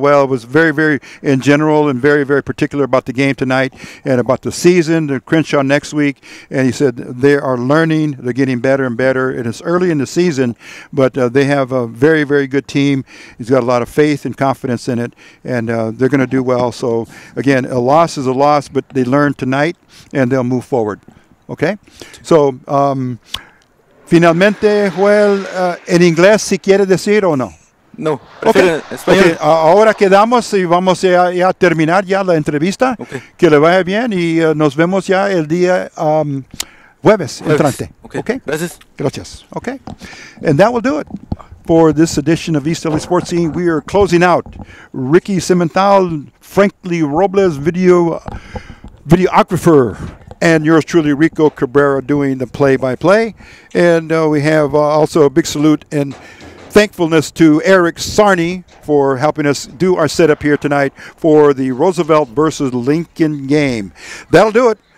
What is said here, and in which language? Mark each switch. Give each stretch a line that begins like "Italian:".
English: Joel was very, very in general and very, very particular about the game tonight and about the season, the Crenshaw next week, and he said they are learning, they're getting better and better, and it's early in the season, but they have a very, very good team. He's got a lot of faith and confidence in it, and they're going to do well. So, again, a loss is a loss, but they learned tonight, and they'll move forward. Okay?
Spanish: So, finalmente, Joel, en inglés, si quiere decir o no. No, prefiero en español.
English: Okay.
Spanish: Ahora quedamos y vamos a terminar ya la entrevista.
English: Okay.
Spanish: Que le vaya bien y nos vemos ya el día jueves entrante. Okay. Gracias. Gracias. Okay.
English: And that will do it for this edition of East LA Sports Scene. We are closing out. Ricky Simmental, Frankly Robles, videographer. And yours truly, Rico Cabrera, doing the play-by-play. And we have also a big salute and thankfulness to Eric Sarney for helping us do our setup here tonight for the Roosevelt versus Lincoln game. That'll do it.